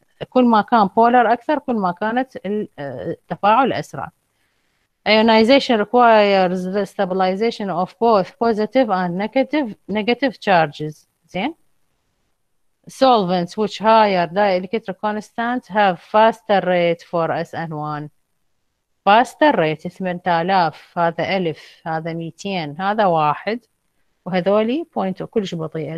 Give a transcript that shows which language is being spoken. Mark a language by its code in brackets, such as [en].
[ar] كل ما كان بولار اكثر كل ما كانت التفاعل اسرع. [en] Ionization requires the stabilization of both positive and negative charges. Then, solvents which higher dielectric constant have faster rate for SN1. Faster rate [ar] 8000، هذا 1000، هذا 200، هذا 1، وهذولي point كلش بطيئة.